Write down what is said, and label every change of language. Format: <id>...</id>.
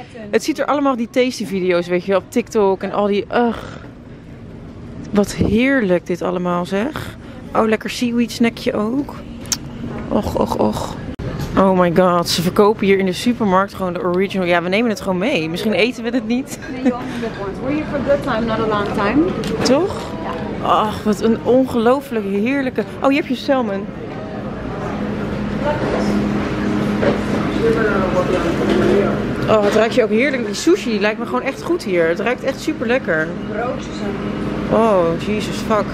<nl>Het ziet er allemaal die tasty video's, weet je wel, op TikTok en al die, ach. Wat heerlijk dit allemaal, zeg. Oh, lekker seaweed snackje ook. Och. Oh my god, ze verkopen hier in de supermarkt gewoon de original. Ja, we nemen het gewoon mee. Misschien eten we het niet.</nl> <en>We're here for a good time, not a long time.</en> <nl>Toch? Ach, wat een ongelooflijk heerlijke. Oh, je hebt je salmon. Oh, het ruikt je ook heerlijk. Die sushi lijkt me gewoon echt goed hier. Het ruikt echt super lekker. Broodjes.</nl> <en>Oh, Jesus, fuck.</en>